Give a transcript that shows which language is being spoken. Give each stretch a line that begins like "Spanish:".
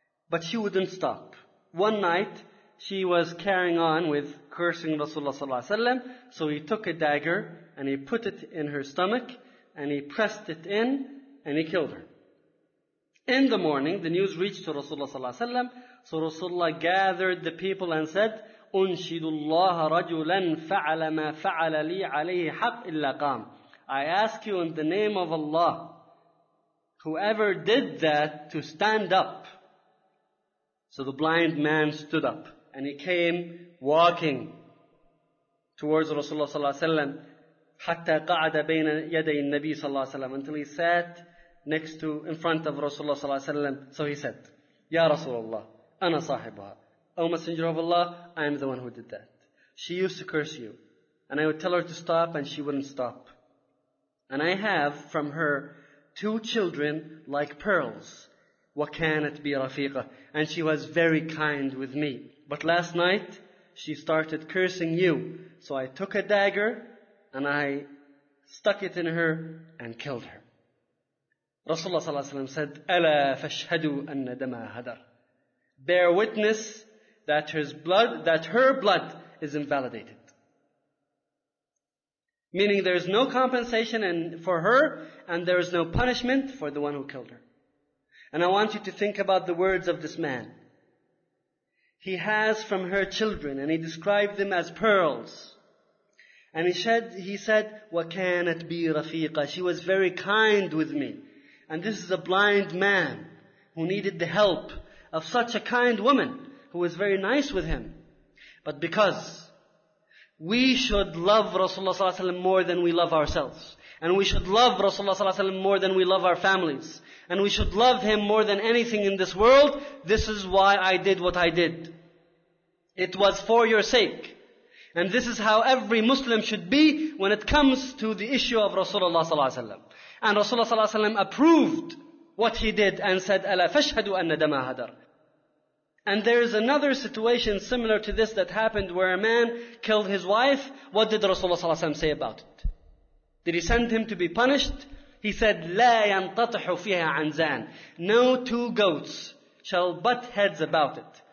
English: But she wouldn't stop. One night, she was carrying on with cursing Rasulullah sallallahu alaihi wasallam. So he took a dagger and he put it in her stomach, and he pressed it in, and he killed her. In the morning, the news reached to Rasulullah sallallahu alaihi wasallam. So Rasulullah gathered the people and said,
Arabic: أنشد الله رجلا فعل ما فعل لي عليه حق إلا قام.
English: I ask you in the name of Allah, whoever did that, to stand up. So the blind man stood up and he came walking towards Rasulullah
Arabic: صلى الله عليه وسلم
English: حتى قعد بين يدي النبي صلى الله عليه وسلم, until he sat next to, in front of Rasulullah صلى الله عليه وسلم. So he said,
Arabic: يا رسول الله أنا صاحبها.
English: O Messenger of Allah, I am the one who did that. She used to curse you. And I would tell her to stop, and she wouldn't stop. And I have from her two children like pearls.
Arabic: وَكَانَتْ بِرَفِيقَةٍ.
English: And she was very kind with me. But last night, she started cursing you. So I took a dagger, and I stuck it in her, and killed her.
Arabic: Rasulullah صلى الله عليه وسلم said, أَلَا فَاشْهَدُوا أَنَّ دَمَا هَدَرَ.
English: Bear witness that his blood, that her blood is invalidated. Meaning there is no compensation for her, and there is no punishment for the one who killed her. And I want you to think about the words of this man. He has from her children, and he described them as pearls. And he said,
Arabic: وَكَانَتْ بِي رَفِيقَةً.
English: She was very kind with me. And this is a blind man who needed the help of such a kind woman, who was very nice with him. But because we should love Rasulullah صلى الله عليه وسلم more than we love ourselves, and we should love Rasulullah صلى الله عليه وسلم more than we love our families, and we should love him more than anything in this world, this is why I did what I did. It was for your sake. And this is how every Muslim should be when it comes to the issue of Rasulullah صلى الله عليه وسلم. And Rasulullah صلى الله عليه وسلم approved what he did and said,
Arabic: أَلَا فَاشْهَدُوا أَنَّ دَمَا هَدَرَ.
English: And there is another situation similar to this that happened, where a man killed his wife. What did Rasulullah صلى الله عليه وسلم say about it? Did he send him to be punished? He said,
Arabic: لَا يَنْتَطْحُ فِيهَا عَنْزَانِ.
English: No two goats shall butt heads about it.